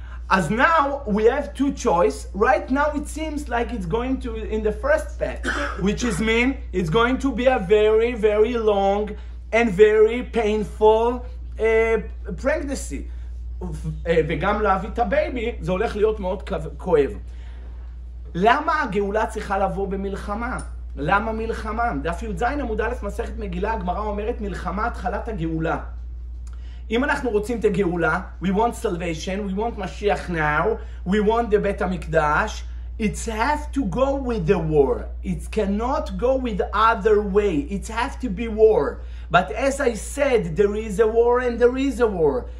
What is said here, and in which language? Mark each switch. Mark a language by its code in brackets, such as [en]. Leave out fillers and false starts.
[en] As now we have two choice, right now it seems like it's going to in the first path, which is mean it's going to be a very, very long and very painful pregnancy. [he] וגם להביא את הבייבי, זה הולך להיות מאוד כואב. למה הגאולה צריכה לבוא במלחמה? למה מלחמה? דף י"ז עמוד א' מסכת מגילה, הגמרא אומרת מלחמה התחלת הגאולה. אם אנחנו רוצים את הגאולה, [en] we want salvation, we want Mashiach now, we want the בית המקדש, it has to go with the war. It cannot go with other way. It has to be war. But as I said, there is a war and there is a war.